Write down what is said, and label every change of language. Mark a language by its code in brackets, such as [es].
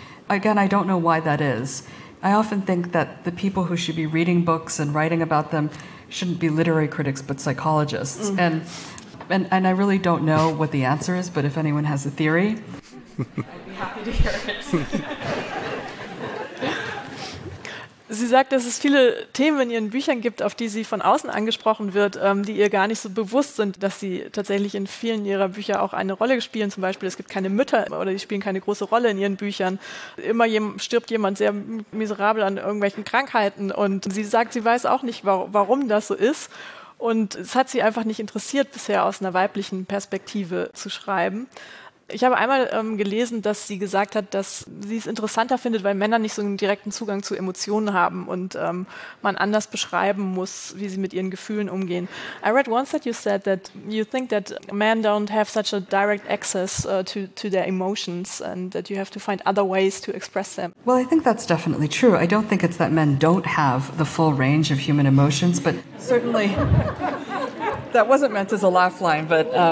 [en] Again, I don't know why that is. I often think that the people who should be reading books and writing about them shouldn't be literary critics, but psychologists. Mm. And I really don't know what the answer is, but if anyone has a theory, I'd be happy to hear it. [de] Sie sagt, dass es viele Themen in ihren Büchern gibt, auf die sie von außen angesprochen wird, die ihr gar nicht so bewusst sind, dass sie tatsächlich in vielen ihrer Bücher auch eine Rolle spielen. Zum Beispiel, es gibt keine Mütter oder die spielen keine große Rolle in ihren Büchern. Immer stirbt jemand sehr miserabel an irgendwelchen Krankheiten. Und sie sagt, sie weiß auch nicht, warum das so ist. Und es hat sie einfach nicht interessiert, bisher aus einer weiblichen Perspektive zu schreiben. Ich habe einmal gelesen, dass sie gesagt hat, dass sie es interessanter findet, weil Männer nicht so einen direkten Zugang zu Emotionen haben und man anders beschreiben muss, wie sie mit ihren Gefühlen umgehen. [en] I read once that you said that you think that men don't have such a direct access to their emotions and that you have to find other ways to express them. Well, I think that's definitely true. I don't think it's that men don't have the full range of human emotions, but certainly that wasn't meant as a laugh line, but...